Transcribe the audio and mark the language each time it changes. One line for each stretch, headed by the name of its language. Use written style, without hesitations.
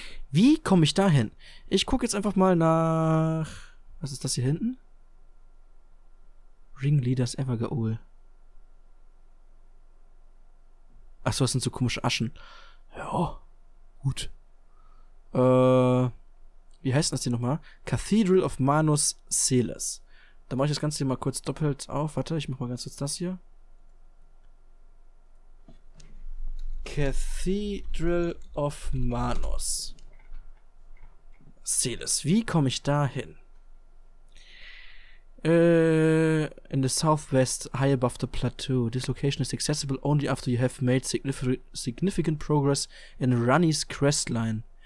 German: Wie komme ich da hin? Ich gucke jetzt einfach mal nach... Was ist das hier hinten? Ringleaders Evergaol. Achso, das sind so komische Aschen. Ja, gut. Wie heißt das hier nochmal? Cathedral of Manus Celes. Da mache ich das Ganze hier mal kurz doppelt auf. Warte, ich mach mal ganz kurz das hier. Cathedral of Manus Celes. Wie komme ich da hin?
English: In the southwest, high above the plateau. This location is accessible only after you have made significant progress in Rani's questline.